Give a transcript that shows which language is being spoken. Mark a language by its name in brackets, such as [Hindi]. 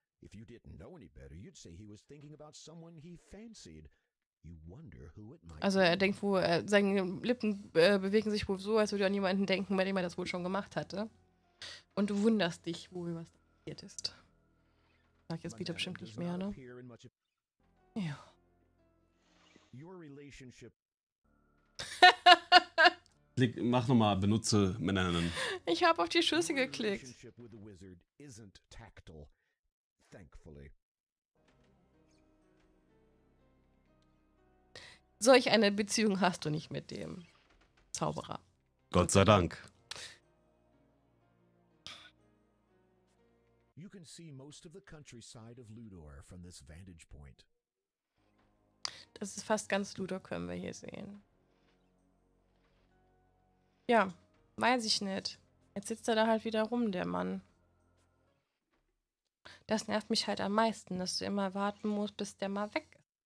[English] If you didn't know any better, you'd say he was thinking about someone he fancied. You wonder who it might be. [German] Also er denkt wohl, seine Lippen bewegen sich wohl so, als würde er an jemanden denken, bei dem er das wohl schon gemacht hatte. Und du wunderst dich wohl, was da passiert ist. Sag jetzt Peter bestimmt nicht mehr, ne? Ja. [English] Your relationship. [German] Mach nochmal, benutze Männer. Ich hab auf die Schüsse geklickt. [English] Your relationship with the wizard isn't tactile. Thankfully. [German] Solch eine Beziehung hast du nicht mit dem Zauberer. Gott sei Dank. [English] You can see most of the countryside of Ludor from this vantage point. [German] Das ist fast ganz Ludor, können wir hier sehen. Ja, weiß ich nicht. Jetzt sitzt er da halt wieder rum, der Mann. Das nervt mich halt am meisten, dass du immer warten musst, bis der mal weg ist.